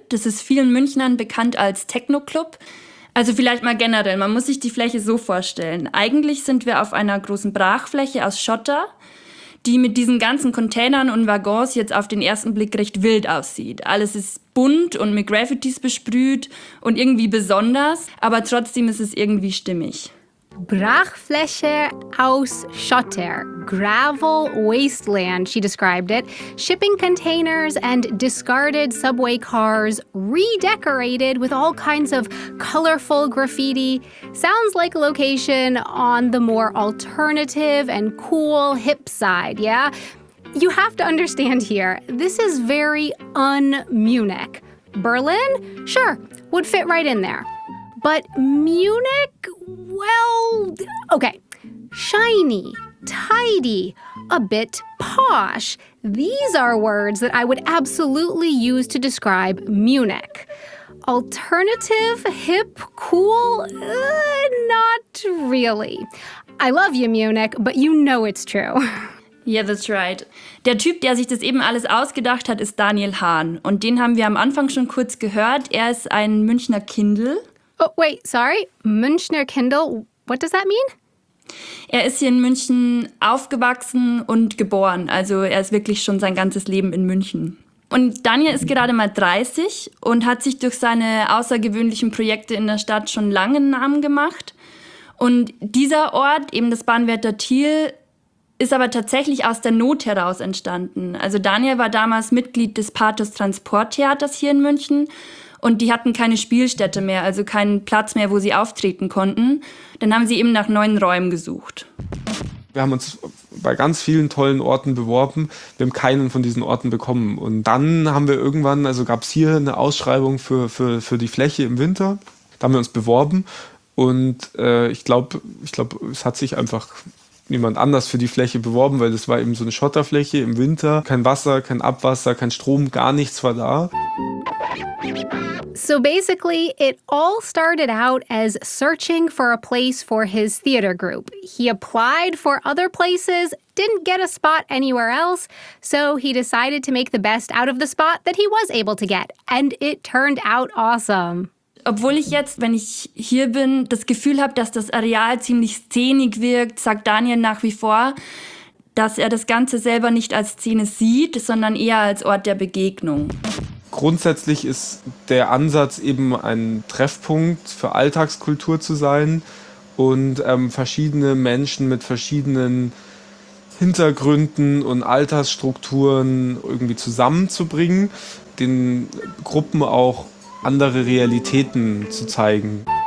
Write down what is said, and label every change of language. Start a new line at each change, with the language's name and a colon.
German: Das ist vielen Münchnern bekannt als Techno-Club. Also vielleicht mal generell, man muss sich die Fläche so vorstellen. Eigentlich sind wir auf einer großen Brachfläche aus Schotter, die mit diesen ganzen Containern und Waggons jetzt auf den ersten Blick recht wild aussieht. Alles ist bunt und mit Graffitis besprüht und irgendwie besonders, aber trotzdem ist es irgendwie stimmig. Brachfläche aus Schotter,
English: gravel wasteland, she described it. Shipping containers and discarded subway cars redecorated with all kinds of colorful graffiti. Sounds like a location on the more alternative and cool hip side, yeah? You have to understand here, this is very un-Munich. Berlin? Sure, would fit right in there. But Munich? Well, okay. Shiny, tidy, a bit posh. These are words that I would absolutely use to describe Munich. Alternative, hip, cool? Not really. I love you, Munich, but you know it's true. Yeah, that's right.
German: Der Typ, der sich das eben alles ausgedacht hat, ist Daniel Hahn. Und den haben wir am Anfang schon kurz gehört. Er ist ein Münchner Kindl.
English: Oh, wait, sorry. Münchner Kindl, what does that mean?
German: Er ist hier in München aufgewachsen und geboren. Also er ist wirklich schon sein ganzes Leben in München. Und Daniel ist gerade mal 30 und hat sich durch seine außergewöhnlichen Projekte in der Stadt schon lange einen Namen gemacht. Und dieser Ort, eben das Bahnwärter Thiel, ist aber tatsächlich aus der Not heraus entstanden. Also Daniel war damals Mitglied des Pathos Transporttheaters hier in München. Und die hatten keine Spielstätte mehr, also keinen Platz mehr, wo sie auftreten konnten. Dann haben sie eben nach neuen Räumen gesucht. Wir haben uns bei ganz vielen tollen Orten beworben. Wir haben keinen von diesen Orten bekommen. Und dann haben wir irgendwann, also gab es hier eine Ausschreibung für die Fläche im Winter. Da haben wir uns beworben. Und ich glaube, es hat sich einfach niemand anders für die Fläche beworben, weil das war eben so eine Schotterfläche im Winter. Kein Wasser, kein Abwasser, kein Strom, gar nichts war da.
English: So basically, it all started out as searching for a place for his theater group. He applied for other places, didn't get a spot anywhere else, so he decided to make the best out of the spot that he was able to get. And it turned out awesome.
German: Obwohl ich jetzt, wenn ich hier bin, das Gefühl habe, dass das Areal ziemlich szenig wirkt, sagt Daniel nach wie vor, dass er das Ganze selber nicht als Szene sieht, sondern eher als Ort der Begegnung. Grundsätzlich ist der Ansatz eben ein Treffpunkt für Alltagskultur zu sein und verschiedene Menschen mit verschiedenen Hintergründen und Altersstrukturen irgendwie zusammenzubringen, den Gruppen auch andere Realitäten zu zeigen.